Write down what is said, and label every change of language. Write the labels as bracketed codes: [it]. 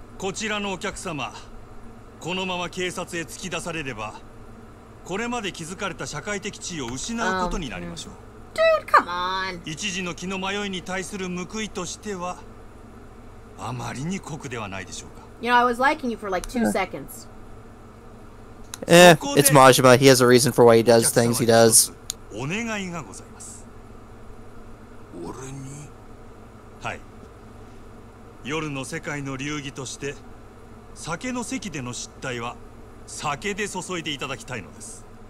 [ja] こちらのお客様このまま警察へ突き出されれば これまで築かれた社会的地位を失うことになりましょう [en] Dude, come on! [ja] 一時の気の迷いに対する報いとしては あまりに酷ではないでしょうか [en] You know, I was liking you for like 2 seconds It's Majima. He has a reason for why he does things he does. [ja] お願いがございます。俺に?はい。夜の世界の流儀として 酒の席での失態は 酒で注いでいただきたいのです。